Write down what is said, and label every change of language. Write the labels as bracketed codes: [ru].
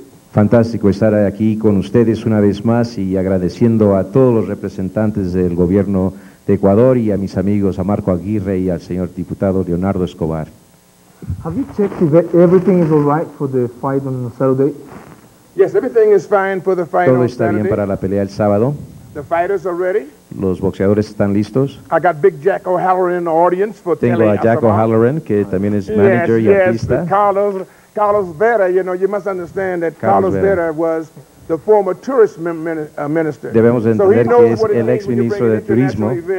[es] fantástico estar aquí con ustedes una vez más y agradeciendo a todos los representantes del gobierno de Ecuador y a mis amigos, a Marco Aguirre y al señor diputado Leonardo Escobar. [en] Have you checked if everything is all right for the fight on Saturday? Yes, everything is fine for the fight. [es] Todo está bien para la pelea el sábado. [en] The fighters are ready. [es] Los boxeadores están listos. [en] I got Big Jack O'Halloran in the audience for [es] tele. Tengo a Jack O'Halloran, que también es manager [en] yes, [es] y artista. [en] Yes, Carlos Vera, you know, you must understand that Carlos Vera was the former tourist minister. [es] Debemos entender que es el ex ministro de turismo.